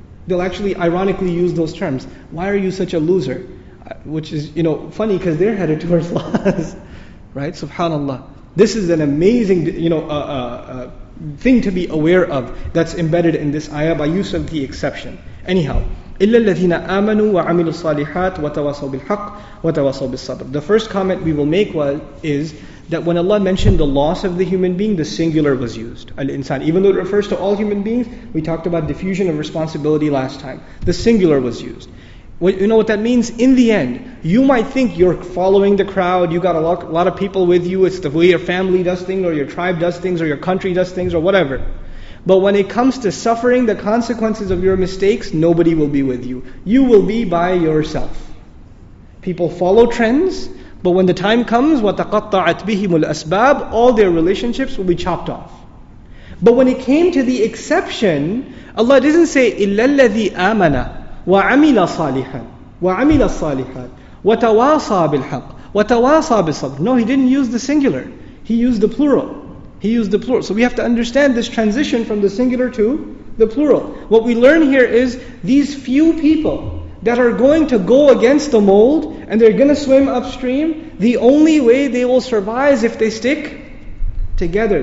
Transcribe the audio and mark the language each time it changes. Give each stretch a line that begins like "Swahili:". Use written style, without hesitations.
English: They'll actually ironically use those terms. Why are you such a loser? Which is, you know, funny because they're headed towards loss. Right? SubhanAllah. This is an amazing, you know, thing to be aware of that's embedded in this ayah by use of the exception. Anyhow,
Arabic: إِلَّا الَّذِينَ آمَنُوا وَعَمِلُوا الصَّالِحَاتِ وَتَوَاصَوْا بِالْحَقِّ وَتَوَاصَوْا بِالصَّبْرِ.
English: The first comment we will make is that when Allah mentioned the loss of the human being, the singular was used. Al-insan. Even though it refers to all human beings, we talked about diffusion of responsibility last time. The singular was used. Well, you know what that means? In the end, you might think you're following the crowd, you got a lot of people with you, it's the way your family does things, or your tribe does things, or your country does things, or whatever. But when it comes to suffering the consequences of your mistakes, nobody will be with you. You will be by yourself. People follow trends, but when the time comes,
Arabic: وَتَقَطَّعَتْ بِهِمُ الْأَسْبَابِ,
English: all their relationships will be chopped off. But when it came to the exception, Allah didn't say,
Arabic: إِلَّا الَّذِي آمَنَ وَعَمِلَ صَالِحًا وَعَمِلَ الصَّالِحَاتِ وَتَوَاصَى بِالْحَقِّ وَتَوَاصَى بِالصَّبْرِ.
English: No, He didn't use the singular. He used the plural. He used the plural. So we have to understand this transition from the singular to the plural. What we learn here is these few people that are going to go against the mold and they're going to swim upstream, the only way they will survive is if they stick together.